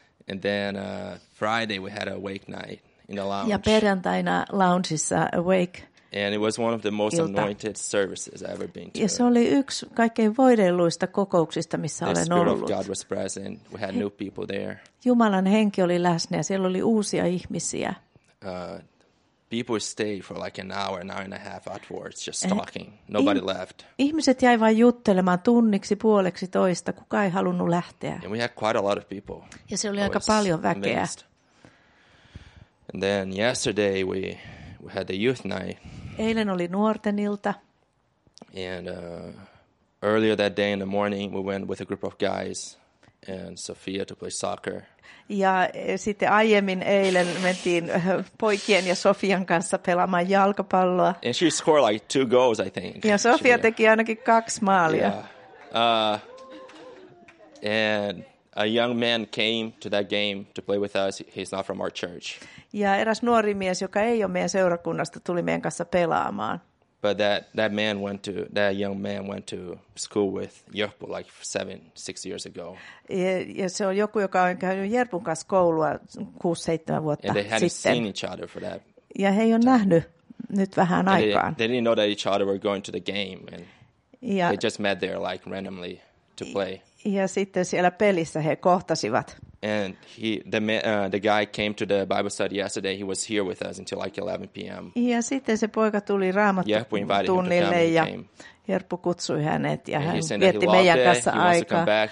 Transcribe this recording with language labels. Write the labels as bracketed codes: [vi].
[en] And then Friday we had a wake night in the lounge. [fi] Ja perjantaina loungeissa awake. [en] And it was one of the most anointed services I've ever been to. [fi] Ja se oli yksi kaikkein voideluista kokouksista, missä [en] the [fi] olen ollut. [en] Spirit of God was present. We had new people there. [fi] Jumalan henki oli läsnä ja siellä oli uusia ihmisiä. [en] People stayed for like an hour and a half afterwards, just talking. Nobody left. [fi] Ihmiset jäi vain juttelemaan tunniksi, puoleksi toista. Kukaan ei halunnut lähteä. [en] And we had quite a lot of people. [fi] Ja se oli aika paljon väkeä. [en] And then yesterday we had the youth night. [fi] Eilen oli nuorten ilta. [en] And earlier that day in the morning we went with a group of guys and Sophia to play soccer. [fi] Ja sitten aiemmin eilen mentiin poikien ja Sofian kanssa pelaamaan jalkapalloa. [en] And she scored like 2 goals, I think. [fi] Ja Sofia teki ainakin 2 maalia. [en] Yeah. And a young man came to that game to play with us. He's not from our church. [fi] Ja eräs nuori mies, joka ei ole meidän seurakunnasta, tuli meidän kanssa pelaamaan. [en] But that young man went to school with Jerpu like 7-6 years ago. [fi] Ja se on joku, joka on käynyt Jerpun kanssa koulua 6-7 vuotta sitten. [en] And they hadn't seen each other for that. [fi] Ja he ei ole nähnyt nyt vähän aikaan. [en] They didn't know that each other were going to the game and they just met there like randomly to play. [fi] Ja sitten siellä pelissä he kohtasivat. [en] And the guy came to the Bible study yesterday. He was here with us until like 11 p.m. [fi] Ja sitten se poika tuli raamattutunnille ja Herppu kutsui hänet ja hän vietti meidän kanssa aikaa.